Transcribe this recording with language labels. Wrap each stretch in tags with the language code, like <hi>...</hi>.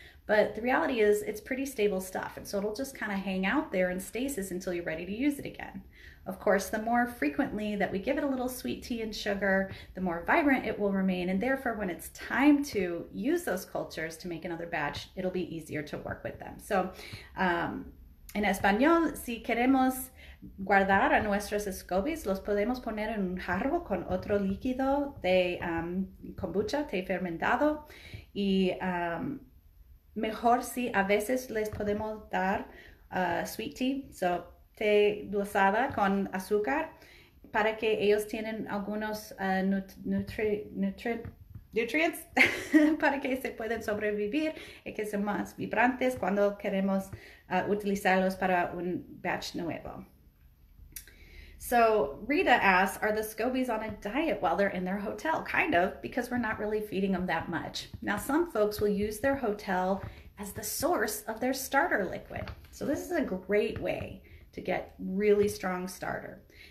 <en>But the reality is it's pretty stable stuff. And so it'll just kind of hang out there in stasis until you're ready to use it again. Of course, the more frequently that we give it a little sweet tea and sugar, the more vibrant it will remain. And therefore, when it's time to use those cultures to make another batch, it'll be easier to work with them. So in Espanol,</en> <es>si queremos guardar a nuestros escobis, los podemos poner en un jarro con otro líquido de kombucha, té fermentado, y mejor si a veces les podemos dar sweet tea, so té dulzada con azúcar, para que ellos tienen algunos nutrients para que se pueden sobrevivir y que sean más vibrantes cuando queremos utilizarlos para un batch nuevo.</es> <en>So Rita asks, are the SCOBYs on a diet while they're in their hotel? Kind of, because we're not really feeding them that much. Now, some folks will use their hotel as the source of their starter liquid. So this is a great way to get really strong starter.</en>